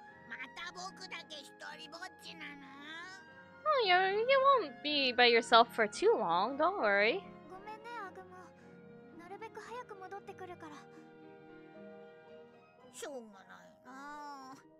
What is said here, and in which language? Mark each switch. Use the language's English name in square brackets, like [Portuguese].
[Japanese] また僕だけ一人ぼっちなの? [English] Oh, you won't be by yourself for too long, don't worry. [Japanese] ごめんね、アグモン。なるべく早く戻ってくるから。しょうがないな。